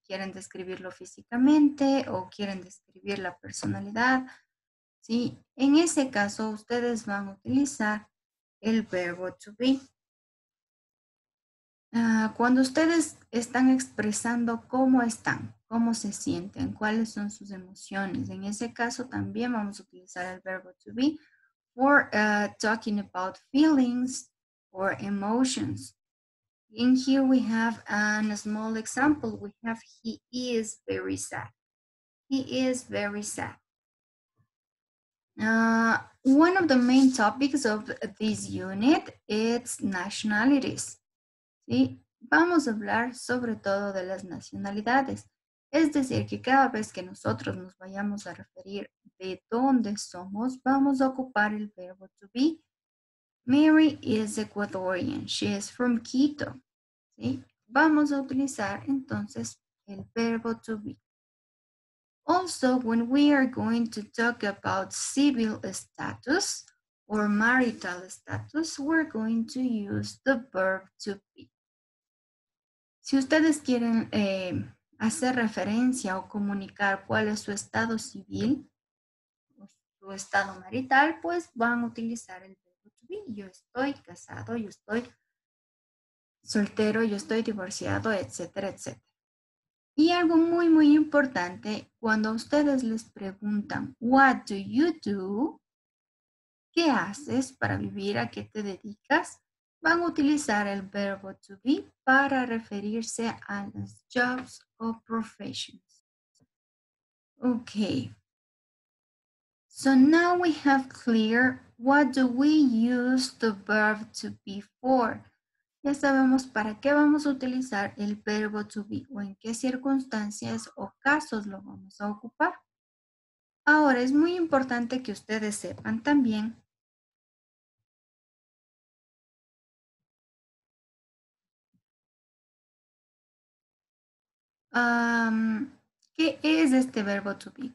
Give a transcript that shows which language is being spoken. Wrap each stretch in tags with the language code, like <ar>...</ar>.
<es>Quieren describirlo físicamente o quieren describir la personalidad, sí, en ese caso, ustedes van a utilizar el verbo to be. Cuando ustedes están expresando cómo están, cómo se sienten, cuáles son sus emociones, en ese caso también vamos a utilizar el verbo to be.</es> <en>For talking about feelings or emotions. In here we have a small example. We have he is very sad. He is very sad. One of the main topics of this unit is nationalities.</en> <es>¿Sí? Vamos a hablar sobre todo de las nacionalidades. Es decir, que cada vez que nosotros nos vayamos a referir de dónde somos, vamos a ocupar el verbo to be.</es> <en>Mary is Ecuadorian. She is from Quito. ¿Sí?</en> <es>Vamos a utilizar entonces el verbo to be.</es> <en>Also, when we are going to talk about civil status or marital status, we're going to use the verb to be.</en> <es>Si ustedes quieren hacer referencia o comunicar cuál es su estado civil o su estado marital, pues van a utilizar el verbo to be. Yo estoy casado, yo estoy soltero, yo estoy divorciado, etcétera, etcétera. Y algo muy, muy importante, cuando ustedes les preguntan,</es> <en>what do you do?</en> <es>¿Qué haces para vivir? ¿A qué te dedicas? Van a utilizar el verbo to be para referirse a las jobs o professions.</es> <en>Ok. So now we have clear, what do we use the verb to be for?</en> <es>Ya sabemos para qué vamos a utilizar el verbo to be o en qué circunstancias o casos lo vamos a ocupar. Ahora, es muy importante que ustedes sepan también ¿qué es este verbo to be?</es>